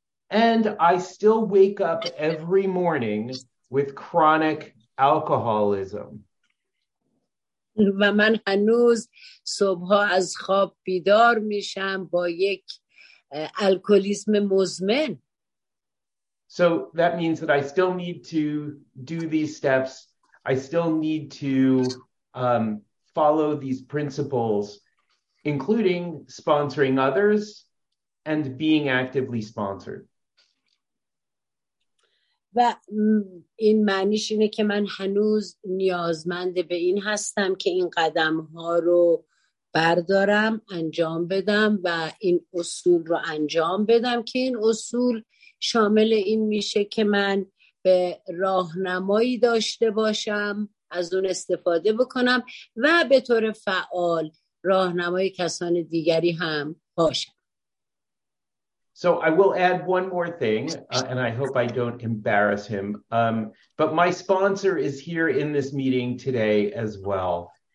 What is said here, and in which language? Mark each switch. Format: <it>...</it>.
<en>And I still wake up every morning with chronic alcoholism.</en> <fa>و من هنوز صبح ها از خواب بیدار میشم با یک الکلیسم مزمن.</fa> <en>So that means that I still need to do these steps. I still need to follow these principles, including sponsoring others and being actively sponsored.</en> <fa>و این معنیش اینه که من هنوز نیازمند به این هستم که این قدم ها رو بردارم، انجام بدم و این اصول رو انجام بدم، که این اصول شامل این میشه که من به راهنمایی داشته باشم، از اون استفاده بکنم و به طور فعال راهنمای کسان دیگری هم باشم.</fa> <en>So I will add one more thing, and I hope I don't embarrass him. But my sponsor is here in this meeting today as well.</en>